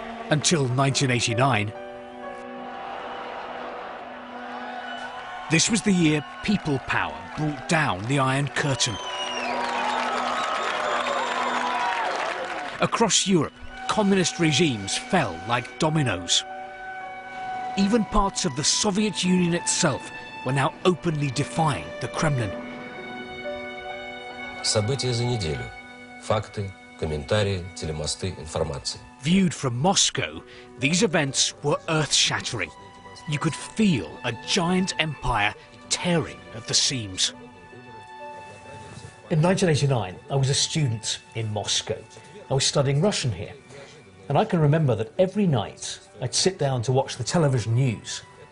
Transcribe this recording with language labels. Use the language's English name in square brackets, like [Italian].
[English] Until 1989, this was the year people power brought down the Iron Curtain. Across Europe, communist regimes fell like dominoes. Even parts of the Soviet Union itself were now openly defying the Kremlin. [Russian] События за неделю. Факты, к комментарии, телемосты, информации. [English] Viewed from Moscow, these events were earth-shattering. You could feel a giant empire tearing at the seams. In 1989, I was a student in Moscow. I was studying Russian here. And I can remember that every night I'd sit down to watch the television news.